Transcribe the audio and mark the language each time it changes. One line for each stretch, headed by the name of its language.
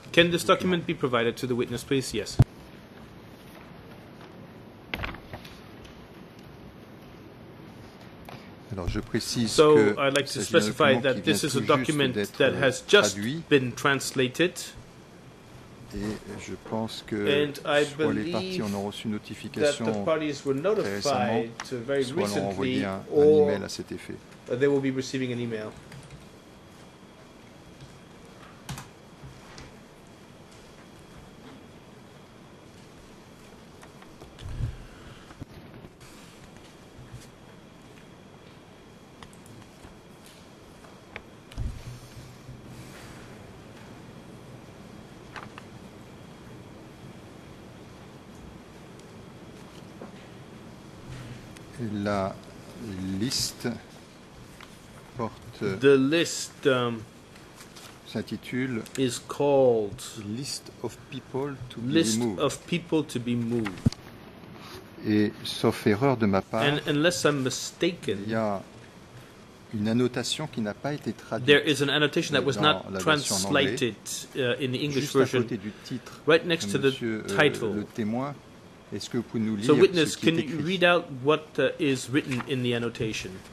English: Can this document be provided to the witness, please? Yes.
French: Alors, je précise
English: so
French: que
English: I'd like to specify that this is a document that has just been translated.
French: Et je pense que soit les parties en ont reçu une notification très récemment, soit on a envoyé un email à cet effet.
English: They will be receiving an email.
French: La liste porte
English: the list
French: s'intitule
English: is called list of people to list be moved. Of people to be moved.
French: Et sauf erreur de ma part,
English: and unless I'm mistaken,
French: il y a une annotation qui n'a pas été traduite.
English: There is an annotation that was not translated in the English version.
French: Juste à côté du titre,
English: right next to the title.
French: Le témoin. Est-ce que vous pouvez nous lire
English: so witness,
French: ce qui
English: can
French: est écrit?
English: You read out what is written in the annotation?